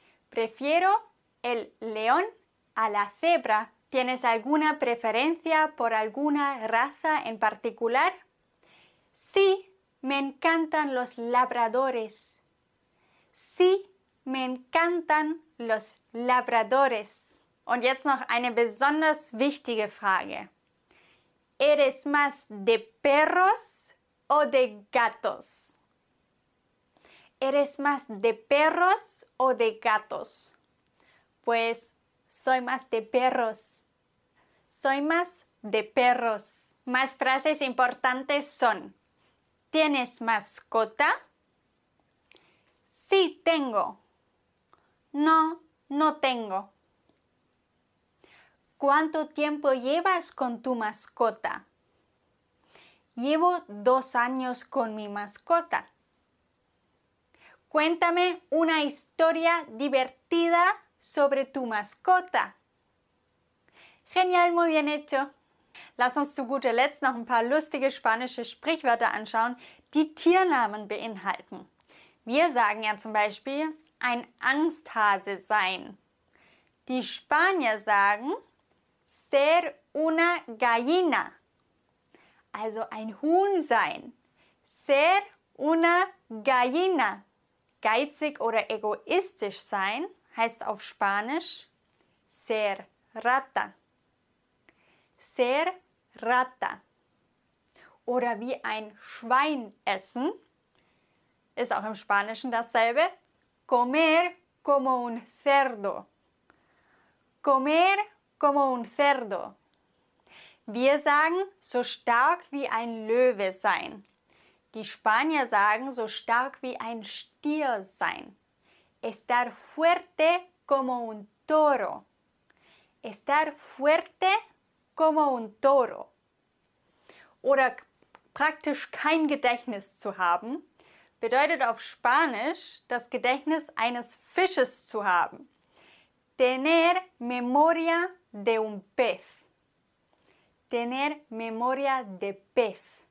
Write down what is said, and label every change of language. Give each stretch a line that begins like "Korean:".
Spanish: Prefiero el león a la cebra. ¿Tienes alguna preferencia por alguna raza en particular? Sí, me encantan los labradores. Sí, me encantan los labradores.
German: Und jetzt noch eine besonders wichtige Frage.
Spanish: ¿Eres más de perros o de gatos? ¿Eres más de perros o de gatos? Pues soy más de perros. Soy más de perros. Más frases importantes son: ¿Tienes mascota? Sí, tengo. No, no tengo. ¿Cuánto tiempo llevas con tu mascota? Llevo 2 años con mi mascota. Cuéntame una historia divertida sobre tu mascota. Genial, muy bien hecho.
German: Lass uns zu guter Letzt noch ein paar lustige spanische Sprichwörter anschauen, die Tiernamen beinhalten. Wir sagen ja zum Beispiel, ein Angsthase sein. Die Spanier sagen,
Spanish: ser una gallina.
German: Also ein Huhn sein.
Spanish: Ser una gallina.
German: Geizig oder egoistisch sein heißt auf Spanisch
Spanish: ser rata. Ser rata.
German: Oder wie ein Schwein essen ist auch im Spanischen dasselbe.
Spanish: Comer como un cerdo. Comer como un cerdo.
German: Wir sagen so stark wie ein Löwe sein. Die Spanier sagen so stark wie ein Stier sein.
Spanish: Estar fuerte como un toro. Estar fuerte como un toro.
German: Oder praktisch kein Gedächtnis zu haben bedeutet auf Spanisch das Gedächtnis eines Fisches zu haben.
Spanish: Tener memoria de un pez. Tener memoria de pez.